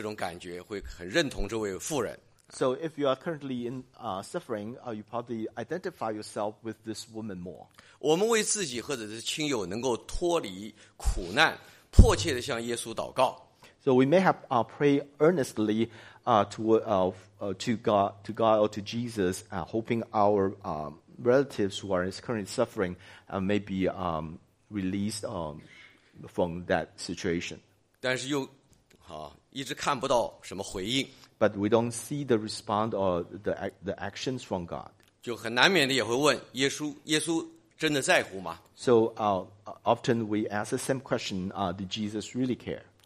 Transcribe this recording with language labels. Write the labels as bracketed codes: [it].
[zh] 那么现在困境中受苦的人呢，读这段经文的时候呢，那更会有这种感觉，会很认同这位妇人。 [en] So if you are currently in suffering, you probably identify yourself with this woman more. [zh] 我们为自己或者是亲友能够脱离苦难，迫切地向耶稣祷告。 [en] So we may have pray earnestly to God or to Jesus, hoping our relatives who are currently suffering may be released from that situation. [zh] 但是又一直看不到什么回应。 [en] But we don't see the response or the actions from God. [zh] 就很难免地也会问耶稣真的在乎吗？ [en] So often we ask the same question, did Jesus really care?